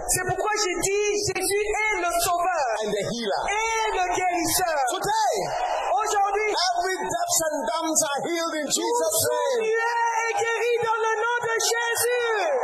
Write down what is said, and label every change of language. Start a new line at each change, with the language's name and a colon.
French: C'est pourquoi je dis Jésus est le sauveur.
English: And the healer.
French: Et le guérisseur.
English: Today.
French: Aujourd'hui.
English: Every deaf and dumb are healed in Jesus' name.
French: Tout sourd muet est guéri dans le nom de Jésus.